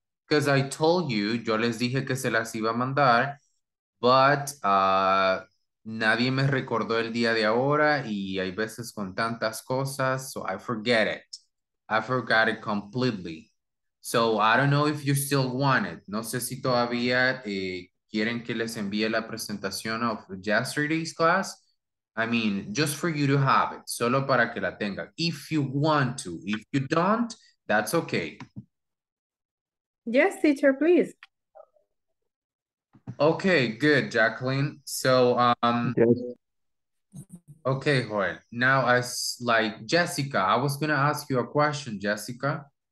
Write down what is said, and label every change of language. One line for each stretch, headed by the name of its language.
English: Because I told you,
Spanish: yo les dije que se las iba a mandar,
English: but
Spanish: nadie me recordó el día de ahora y hay veces con tantas cosas,
English: so I forget it. I forgot it completely. So I don't know if you still want it.
Spanish: No sé si todavía quieren que les envíe la presentación
English: of yesterday's class. I mean, just for you to have it,
Spanish: solo para que la tenga.
English: If you want to, if you don't, that's okay. Yes, teacher, please. Okay, good, Jacqueline. So, yes. Okay, Joel. Now, as like Jessica, I was gonna ask you a question, Jessica.